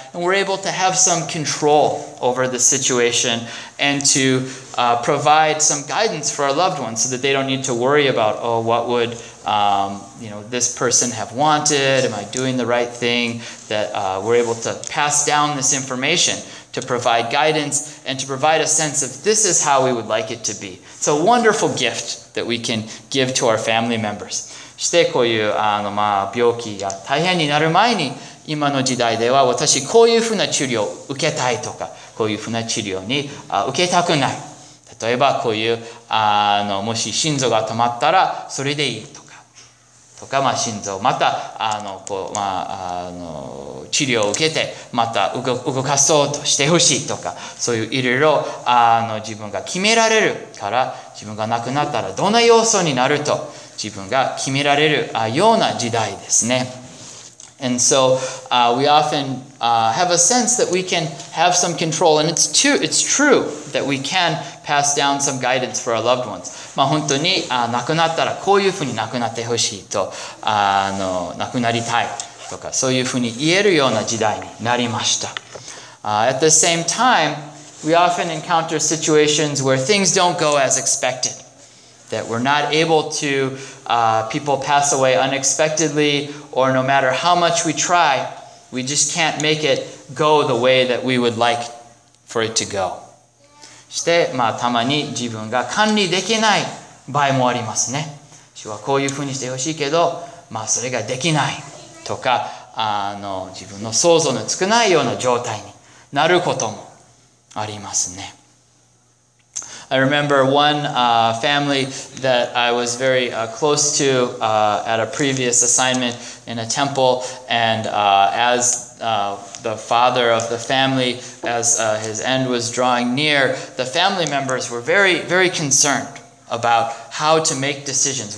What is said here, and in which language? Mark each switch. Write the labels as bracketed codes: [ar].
[en] And we're able to have some control over the situation and to provide some guidance for our loved ones so that they don't need to worry about, oh, what would you know, this person have wanted? Am I doing the right thing? That we're able to pass down this information. To provide guidance and to provide a sense of this is how we would like it to be. It's a wonderful gift that we can give to our family members. [ja] そしてこういうあの、まあ、病気が大変になる前に今の時代では私こういうふうな治療を受けたいとかこういうふうな治療に受けたくない。例えばこういうあのもし心臓が止まったらそれでいいとか。とかまあ、心臓またあのこう、まあ、あの治療を受けてまた動かそうとしてほしいとかそういういろいろあの自分が決められるから自分が亡くなったらどんな様相になると自分が決められるような時代ですね。 [en] And so we often have a sense that we can have some control, and it's true that we can pass down some guidance for our loved ones. [ja] まあ本当に亡くなったらこういうふうに亡くなってほしいとあの亡くなりたいとかそういうふうに言えるような時代になりました。 [en] At the same time, we often encounter situations where things don't go as expected. That we're not able to, people pass away unexpectedly, or no matter how much we try, we just can't make it go the way that we would like for it to go. [ja] して、まあ、たまに自分が管理できない場合もありますね。私はこういうふうにしてほしいけど、まあ、それができないとか、あの、自分の想像の少ないような状態になることもありますね。 [en] I remember one family that I was very close to at a previous assignment in a temple, and as the father of the family, as his end was drawing near, the family members were very, very concerned about how to make decisions.